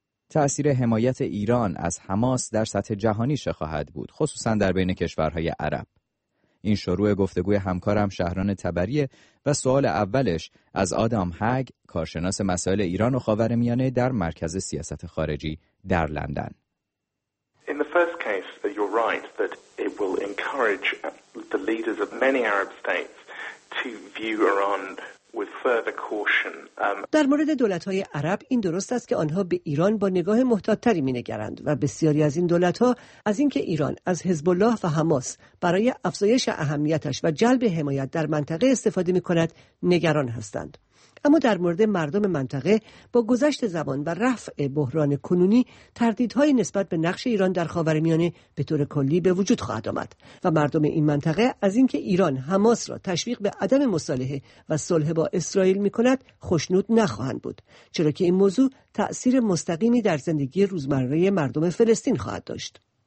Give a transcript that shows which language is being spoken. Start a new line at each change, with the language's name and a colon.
Persian: تأثیر حمایت ایران از حماس در سطح جهانی چه خواهد بود، خصوصا در بین کشورهای عرب؟ این شروع گفتگوی همکارم شهران تبریه و سوال اولش از آدام هگ، کارشناس مسائل ایران و خاورمیانه در مرکز سیاست خارجی در لندن.
English: In the first case, you're right that it will encourage the leaders of many Arab states to view Iran with further caution.
Persian: در مورد دولت‌های عرب این درست است که آنها به ایران با نگاه محتاط‌تری می‌نگرند و بسیاری از این دولت‌ها از اینکه ایران از حزب الله و حماس برای افزایش اهمیتش و جلب حمایت در منطقه استفاده می‌کند نگران هستند. اما در مورد مردم منطقه با گذشت زمان و رفع بحران کنونی تردیدهای نسبت به نقش ایران در خاورمیانه به طور کلی به وجود خواهد آمد و مردم این منطقه از اینکه ایران حماس را تشویق به عدم مصالحه و صلح با اسرائیل می‌کند خوشنود نخواهند بود، چرا که این موضوع تأثیر مستقیمی در زندگی روزمره مردم فلسطین خواهد داشت.